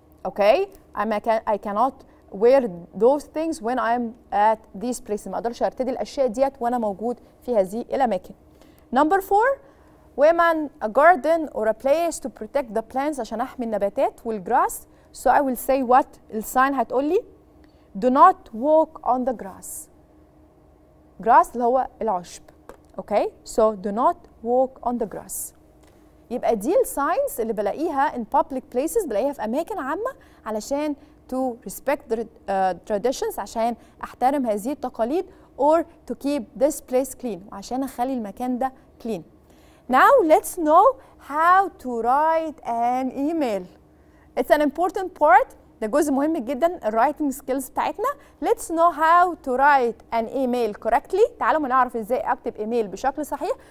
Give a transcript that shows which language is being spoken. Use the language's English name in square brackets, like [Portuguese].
[English] Okay؟ I cannot wear those things when I'm at this place. [Arabic] ما أقدرش أرتدي الأشياء ديت وأنا موجود في هذه الأماكن. [English] Number 4. Women a garden or a place to protect the plants، [Arabic] عشان احمي النباتات [English] والgrass. So I will say what [Arabic] السين هتقول لي. [English] Do not walk on the grass. Grass اللي هو العشب. Okay, so do not walk on the grass. [Arabic] يبقى دي السينز اللي بلاقيها [English] in public places، [Arabic] بلاقيها في اماكن عامة علشان [English] to respect the traditions، [Arabic] عشان احترم هذه التقاليد، [English] or to keep this place clean، [Arabic] عشان اخلي المكان ده clean. [English] Now let's know how to write an email. It's an important part. [Arabic] ده جزء مهم جدا [English] writing skills بتاعتنا. Let's know how to write an email correctly. [Arabic] تعالوا نعرف ازاي اكتب email بشكل صحيح.